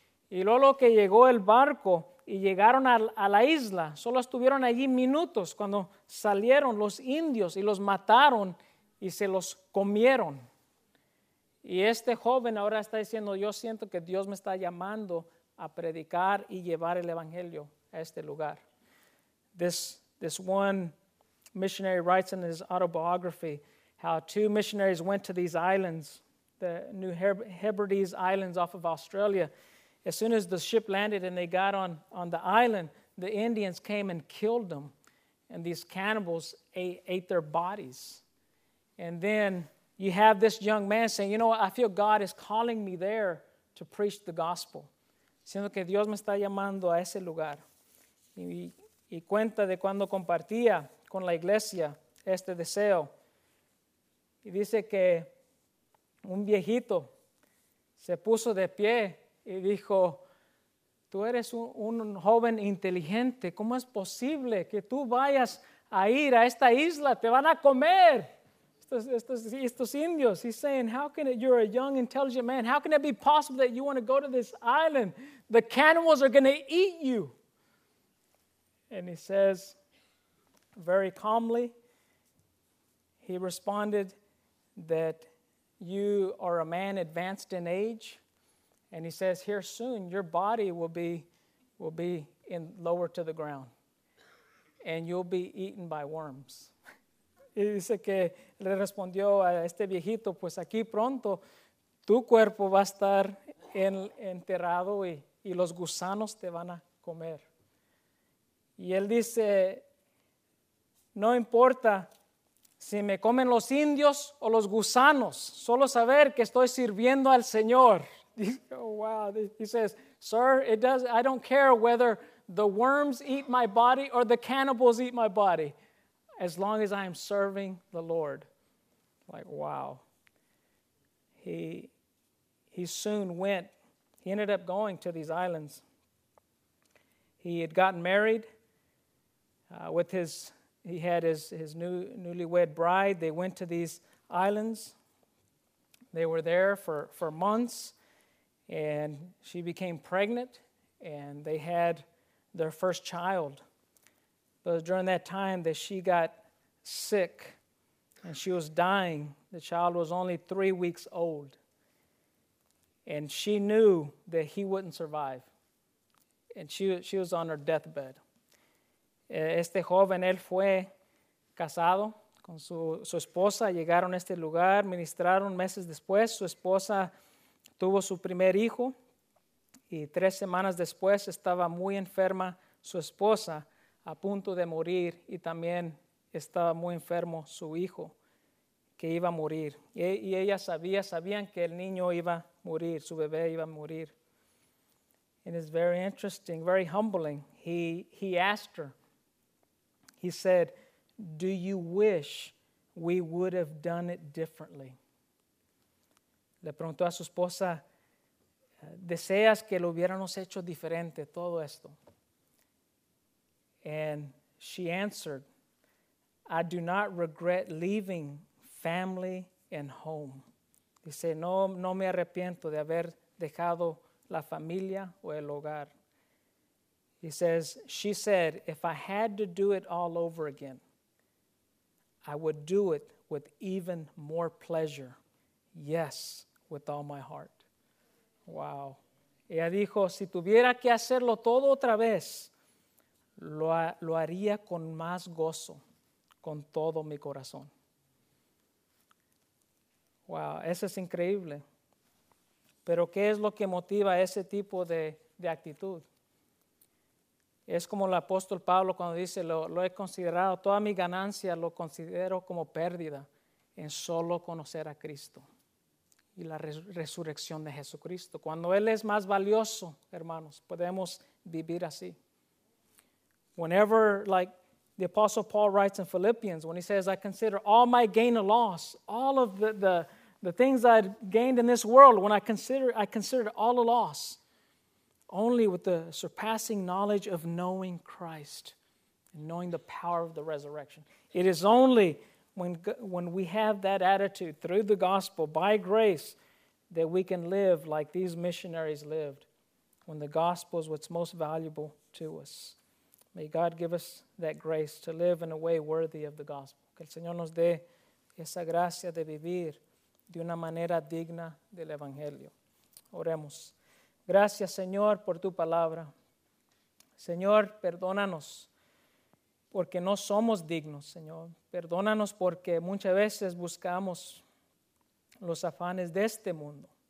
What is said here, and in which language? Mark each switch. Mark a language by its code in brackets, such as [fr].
[es] Y luego que llegó el barco y llegaron a la isla, solo estuvieron allí minutos cuando salieron los indios y los mataron y se los comieron. Y este joven ahora está diciendo, yo siento que Dios me está llamando a predicar y llevar el evangelio a este lugar. [en] This one missionary writes in his autobiography how two missionaries went to these islands, the New Hebrides Islands off of Australia. As soon as the ship landed and they got on the island, the Indians came and killed them. And these cannibals ate their bodies. And then you have this young man saying, you know what, I feel God is calling me there to preach the gospel. [es] Siento que Dios me está llamando a ese lugar. Y cuenta de cuando compartía con la iglesia este deseo. Y dice que un viejito se puso de pie y dijo, tú eres un joven inteligente. ¿Cómo es posible que tú vayas a ir a esta isla? Te van a comer estos indios. [en] He's saying, you're a young, intelligent man. How can it be possible that you want to go to this island? The cannibals are going to eat you. And he says, very calmly, he responded that you are a man advanced in age. And he says, here soon, your body will be in lower to the ground. And you'll be eaten by worms. [es] Y dice que le respondió a este viejito, pues aquí pronto tu cuerpo va a estar enterrado y los gusanos te van a comer. Y él dice, no importa si me comen los indios o los gusanos, solo saber que estoy sirviendo al Señor. [en] Oh, wow. He says, sir, I don't care whether the worms eat my body or the cannibals eat my body, as long as I am serving the Lord. Like, wow. He soon went. He ended up going to these islands. He had gotten married. He had his newlywed bride. They went to these islands. They were there for months, and she became pregnant, and they had their first child. But during that time that she got sick, and she was dying, the child was only 3 weeks old, and she knew that he wouldn't survive, and she was on her deathbed. [es] Este joven, él fue casado con su esposa. Llegaron a este lugar, ministraron meses después. Su esposa tuvo su primer hijo y 3 semanas después estaba muy enferma su esposa a punto de morir y también estaba muy enfermo su hijo que iba a morir. Y ella sabían que el niño iba a morir, su bebé iba a morir. [en] And it's very interesting, very humbling. He asked her, he said, "Do you wish we would have done it differently?" [es] Le preguntó a su esposa, ¿deseas que lo hubiéramos hecho diferente todo esto? [en] And she answered, "I do not regret leaving family and home." [es] Dice, no me arrepiento de haber dejado la familia o el hogar. [en] He says, she said, "If I had to do it all over again, I would do it with even more pleasure. Yes, with all my heart." Wow. [es] Ella dijo, si tuviera que hacerlo todo otra vez, lo haría con más gozo, con todo mi corazón. Wow, eso es increíble. Pero ¿qué es lo que motiva ese tipo de actitud? Es como el apóstol Pablo cuando dice, lo he considerado, toda mi ganancia lo considero como pérdida en solo conocer a Cristo y la resurrección de Jesucristo. Cuando Él es más valioso, hermanos, podemos vivir así. [en] Whenever, like the apostle Paul writes in Philippians, when he says, "I consider all my gain a loss, all of the things I've gained in this world, when I consider it all a loss, only with the surpassing knowledge of knowing Christ and knowing the power of the resurrection." It is only when we have that attitude through the gospel, by grace, that we can live like these missionaries lived, when the gospel is what's most valuable to us. May God give us that grace to live in a way worthy of the gospel. [es] Que el Señor nos dé esa gracia de vivir de una manera digna del evangelio. Oremos. Gracias, Señor, por tu palabra. Señor, perdónanos porque no somos dignos, Señor. Perdónanos porque muchas veces buscamos los afanes de este mundo.